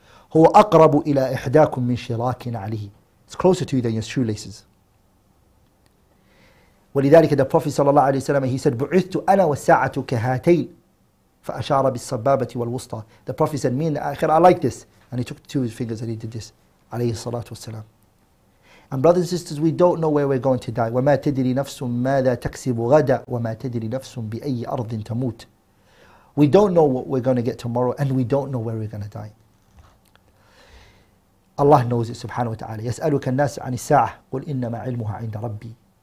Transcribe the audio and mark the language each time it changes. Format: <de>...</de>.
<ar>هُوَ أَقْرَبُ إِلَىٰ إِحْدَاكُم مِن شِرَاكٍ عَلِهِ.</ar> <en>It's closer to you than your shoelaces.</en> <ar>ولذلك</ar> <en>the Prophet</en> <ar>صلى الله عليه وسلم</ar> <en>he said</en> <ar>بعثت أنا والساعة كهاتين فأشار بالصبابة والوسطى.</ar> <en>The Prophet said me and the Akhirah are like this, and he took two fingers and he did this عليه الصلاة والسلام. And brothers and sisters, we don't know where we're going to die.</en> <ar>وما تدري نفس ماذا تكسب غدا وما تدري نفس بأي أرض تموت.</ar> <en>We don't know what we're going to get tomorrow, and we don't know where we're going to die. Allah knows it subhanahu wa ta'ala.</en> <ar>يسألك الناس عن الساعة قل إنما علمها عند ربي.</ar>